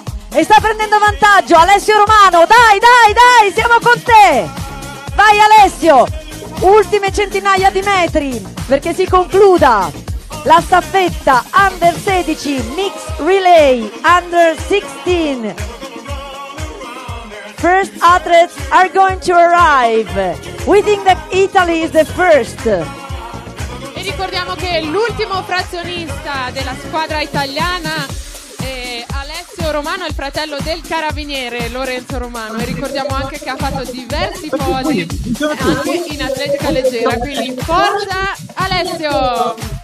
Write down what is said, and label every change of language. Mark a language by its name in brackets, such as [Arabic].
[Italian] E sta prendendo vantaggio Alessio Romano. Dai, dai, dai, siamo con te. Vai Alessio. Ultime centinaia di metri perché si concluda la staffetta Under 16 Mix Relay Under 16. [English] First athletes are going to arrive. We think that Italy is the first. [Italian] E ricordiamo che l'ultimo frazionista della squadra italiana è Alessio Romano, il fratello del carabiniere Lorenzo Romano. E ricordiamo anche che ha fatto diversi podi anche in atletica leggera. Quindi forza Alessio!